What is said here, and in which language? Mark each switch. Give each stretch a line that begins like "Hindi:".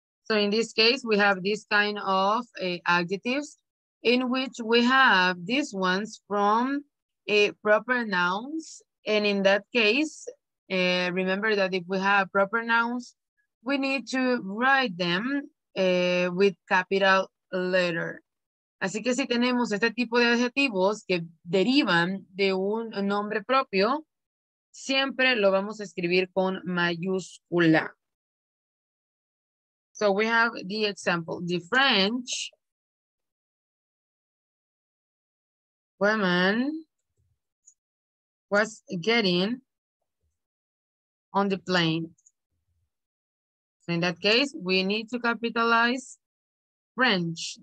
English: So in this case, we have this kind of adjectives in which we have these ones from proper nouns. And in that case, remember that if we have proper nouns, we need to write them with capital letter.
Spanish: Así que si tenemos este tipo de adjetivos que derivan de un nombre propio, siempre lo vamos a escribir con mayúscula.
English: So we have the example, the French woman was getting on the plane. So in that case, we need to capitalize French.